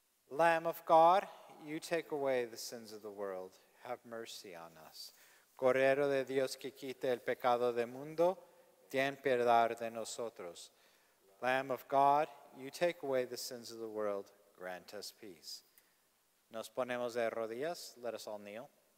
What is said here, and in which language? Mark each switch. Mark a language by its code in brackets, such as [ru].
[en] Lamb of God, you take away the sins of the world. Have mercy on us. [es] Cordero de Dios que quita el pecado del mundo, ten piedad de nosotros. [en] Lamb of God, you take away the sins of the world. Grant us peace. [es] Nos ponemos de rodillas. [en] Let us all kneel.